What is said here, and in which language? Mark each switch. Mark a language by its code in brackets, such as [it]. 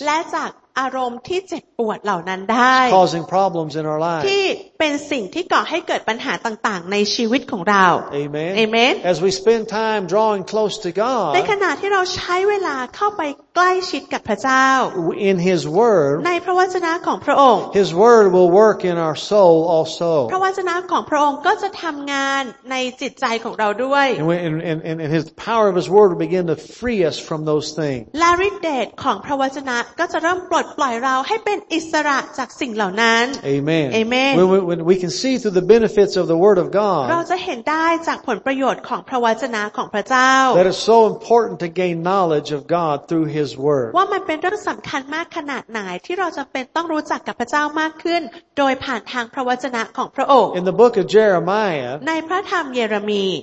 [th] และจากอารมณ์ที่เจ็บปวดเหล่านั้นได้ [en] causing problems in our lives [th] ที่เป็นสิ่งที่ก่อให้เกิดปัญหาต่างๆในชีวิตของเรา [en] Amen Amen As we spend time drawing close to God [th] ในขณะที่เราใช้เวลาเข้าไปใกล้ชิดกับพระเจ้า [en] In His word [th] ในพระวจนะของพระองค์ [en] His word will work in our soul also [th] พระวจนะของพระองค์ก็จะทำงานในจิตใจของเราด้วย [en] And His power of His word will begin to free us from those things [th] และฤทธิ์เดชของพระวจนะก็จะเริ่มปล่อยเราให้เป็นอิสระจากสิ่งเหล่านั้น [en] Amen Amen when we can see through the benefits of the word of God [th] เราจะเห็นได้จากผลประโยชน์ของพระวจนะของพระเจ้า [en] That is so important to gain knowledge of God through His word [th] ว่ามันเป็นเรื่องสำคัญมากขนาดไหนที่เราจะเป็นต้องรู้จักกับพระเจ้ามากขึ้นโดยผ่านทางพระวจนะของพระองค์ [en] In the book of Jeremiah [th] ในพระธรรมเยเรมี